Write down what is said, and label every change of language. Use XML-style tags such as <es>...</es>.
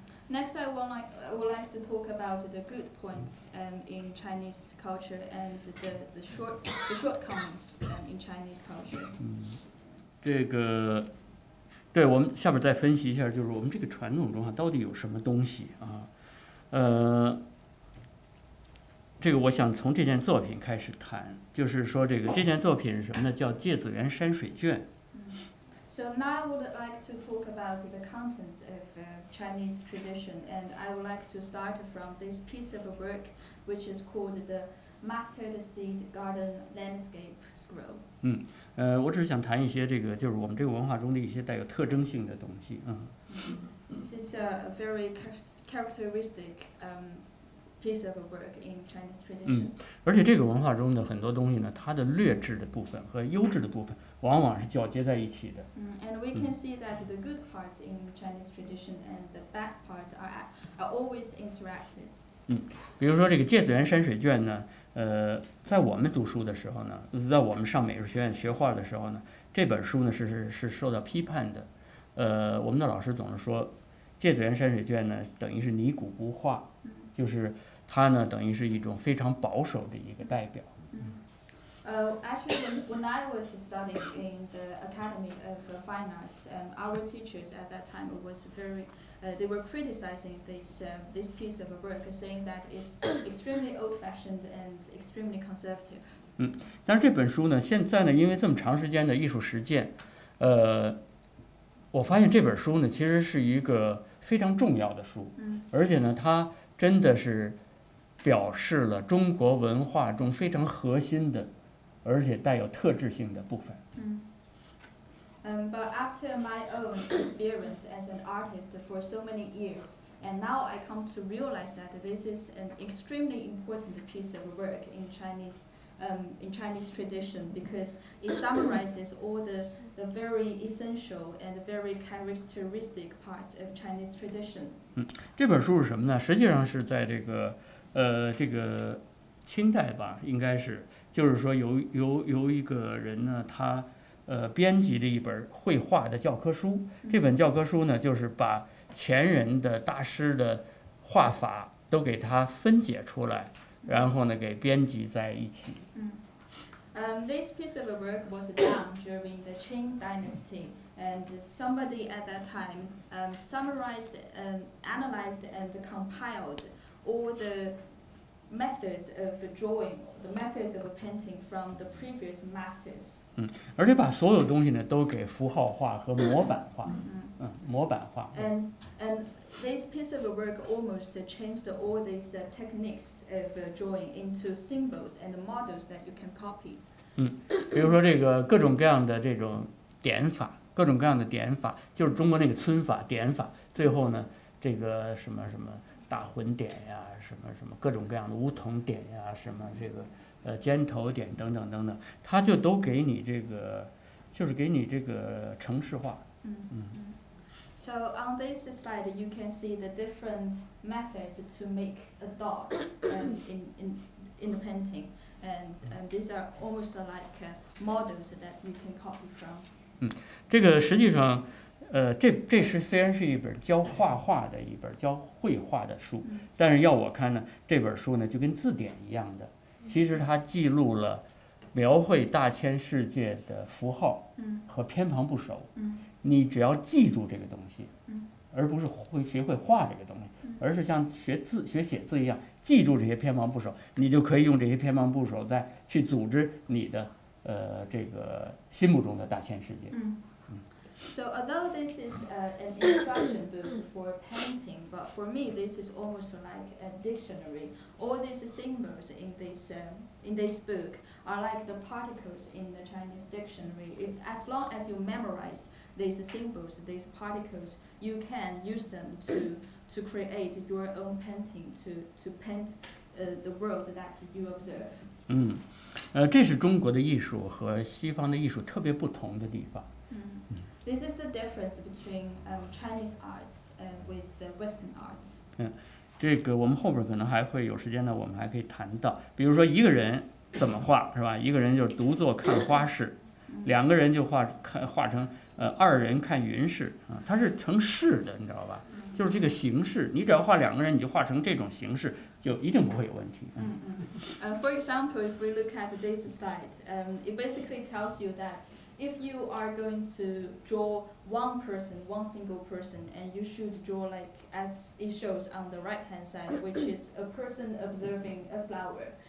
<en>Next, I would like to talk about the good points in Chinese culture and the shortcomings in Chinese culture. 这个</en> <zh>对，我们下面再分析一下，就是我们这个传统中到底有什么东西啊？这个我想从这件作品开始谈，就是说这个这件作品是什么呢？叫《芥子园山水卷》。</zh> <en>So now I would like to talk about the contents of Chinese tradition, and I would like to start from this piece of work, which is called the Mustard Seed Garden Landscape Scroll.</en> <zh>我只是想谈一些这个，就是我们这个文化中的一些带有特征性的东西。</zh> <en>This is a very characteristic piece of work in Chinese tradition.</en> <zh>而且这个文化中的很多东西呢，它的劣质的部分和优质的部分。往往是交接在一起的。</zh> <en>And we can see that the good parts in Chinese tradition and the bad parts are always interacted.</en> <zh>比如说这个芥子园山水卷呢，在我们读书的时候呢，在我们上美术学院学画的时候呢，这本书呢是受到批判的。我们的老师总是说，芥子园山水卷呢等于是泥古不化，就是它呢等于是一种非常保守的一个代表。</zh> <en>Actually, when I was studying in the Academy of Fine Arts, our teachers at that time were criticizing this piece of work, saying that it's extremely old-fashioned and extremely conservative.</en> <zh>但是这本书呢，现在呢，因为这么长时间的艺术实践，我发现这本书呢，其实是一个非常重要的书，而且呢，它真的是表示了中国文化中非常核心的。而且带有特质性的部分。</zh> <en>But after my own experience as an artist for so many years, and now I come to realize that this is an extremely important piece of work in Chinese tradition because it summarizes all the very essential and very characteristic parts of Chinese tradition.</en> <zh>这本书是什么呢？实际上是在这个清代吧，应该是。就是说由一个人呢他编辑了一本绘画的教科书，这本教科书呢就是把前人的大师的画法都给他分解出来，然后呢给编辑在一起。</zh> <en>This piece of work was done during the Qing dynasty, and somebody at that time summarized analyzed and compiled all the methods of drawing. The methods of painting from the previous masters.</en> <zh>而且把所有东西呢都给符号化和模板化。模板化。</zh> <en>And this piece of work almost changed all these techniques of drawing into symbols and models that you can copy.</en> <zh>比如说这个各种各样的这种点法，各种各样的点法，就是中国那个皴法、点法，最后呢这个什么什么。大魂点呀，什么什么各种各样的梧桐点呀，什么这个尖头点等等等等，他就都给你这个，就是给你这个程式化。</zh> <en>So on this slide, you can see the different methods to make a dot in the painting, and these are almost like models that you can copy from.</en> <zh>这个实际上。这是虽然是一本教画画的一本教绘画的书，但是要我看呢，这本书呢就跟字典一样的，其实它记录了描绘大千世界的符号和偏旁部首。你只要记住这个东西，而不是会学会画这个东西，而是像学字学写字一样记住这些偏旁部首，你就可以用这些偏旁部首再去组织你的这个心目中的大千世界。</zh> <en>So although this is an instruction book for painting, but for me this is almost like a dictionary. All these symbols in this book are like the particles in the Chinese dictionary. If, as long as you memorize these symbols, these particles, you can use them to create your own painting, to paint the world that you observe.</en> <zh>这是中国的艺术和西方的艺术特别不同的地方。</zh> <en>This is the difference between Chinese arts with the Western arts.</en> <zh>这个我们后边可能还会有时间呢，我们还可以谈到，比如说一个人怎么画，是吧？一个人就是独坐看花式，两个人就画成二人看云式啊，它是成式的，你知道吧？就是这个形式，你只要画两个人，你就画成这种形式，就一定不会有问题。</zh> <en>For example, if we look at this slide, it basically tells you that. if you are going to draw one person, one single person, and you should draw like as it shows on the right hand side, which is a person observing a flower.</en>